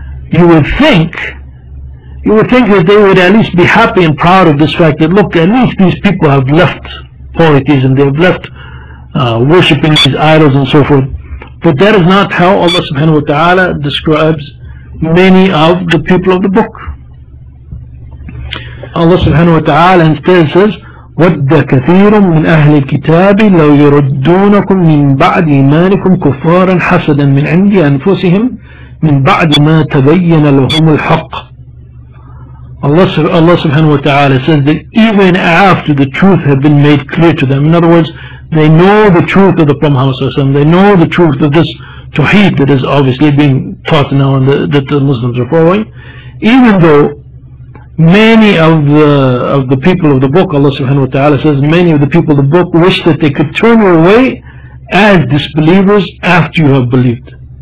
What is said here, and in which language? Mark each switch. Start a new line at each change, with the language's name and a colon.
English: You would think that they would at least be happy and proud of this fact, that look, at least these people have left polytheism, they have left worshipping these idols and so forth. But that is not how Allah subhanahu wa ta'ala describes many of the people of the book. Allah subhanahu wa ta'ala instead says,
Arabic: وَدَّ كَثِيرٌ مِّنْ أَهْلِ الْكِتَابِ لَوْ يَرُدُّونَكُمْ مِّنْ بَعْدِ إِيمَانِكُمْ كُفَّارًا حَسَدًا مِّنْ عِنْدِ أَنفُسِهِمْ مِّنْ بَعْدِ مَا تَبَيَّنَ لَهُمُ الْحَقِّ.
English: Allah subhanahu wa ta'ala says that even after the truth had been made clear to them, in other words, they know the truth of the Prophet Muhammad sallallahu alaihi wasallam, they know the truth of this tawheed that is obviously being taught now and that the Muslims are following, even though many of the people of the book, Allah subhanahu wa ta'ala says, many of the people of the book wish that they could turn away as disbelievers after you have believed.